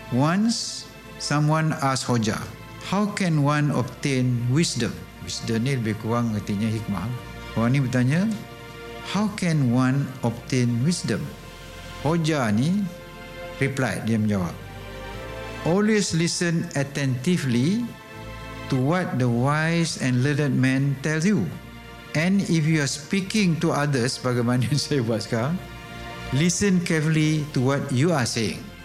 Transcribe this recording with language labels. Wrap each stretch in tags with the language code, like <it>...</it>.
<en>Once someone asked Hoja, how can one obtain wisdom?</en> <ms>Wisdom ni lebih kurang artinya hikmah. Orang ni bertanya,</ms> <en>how can one obtain wisdom? Hoja ni replied,</en> <ms>dia menjawab,</ms> <en>always listen attentively to what the wise and learned man tells you. And if you are speaking to others,</en> <ms>bagaimana saya buat sekarang,</ms> <en>listen carefully to what you are saying.</en>